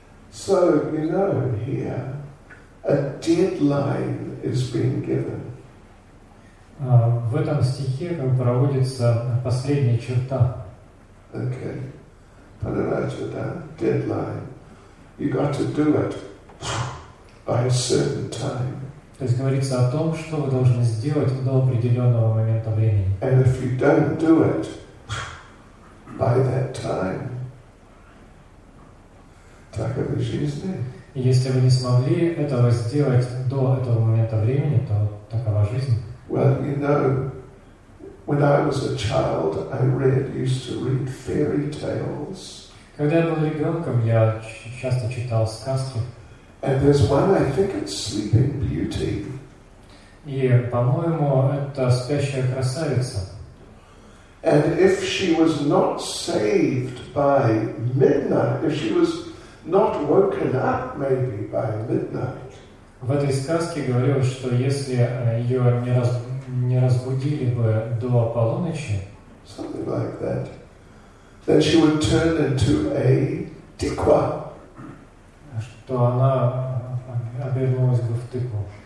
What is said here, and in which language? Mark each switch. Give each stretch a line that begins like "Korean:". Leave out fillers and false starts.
English: So, you know, here, a deadline is being given.
Russian: В этом стихе проводится последняя черта. Okay. Понимаете, да? Deadline.
English: You got to do it by a certain time.
Russian: То есть говорится о том, что вы должны сделать до определенного момента времени.
English: And if you don't do it, by that time.
Russian: Таковы жизни. Если вы не смогли этого сделать до этого момента времени, то такова жизнь.
English: Well, you know, When I was a child, used to read fairy tales.
Russian: Когда я был ребенком, я часто читал сказки.
English: And there's one, I think it's Sleeping Beauty.
Russian: И, по-моему, это «Спящая красавица».
English: And if she was not saved by midnight, if she was not woken up maybe by midnight.
Russian: В этой сказке говорилось, что если ее не разбудили бы до полуночи,
English: something like that, then she would turn into a
Russian: тыква. Что она обернулась бы в тыкву.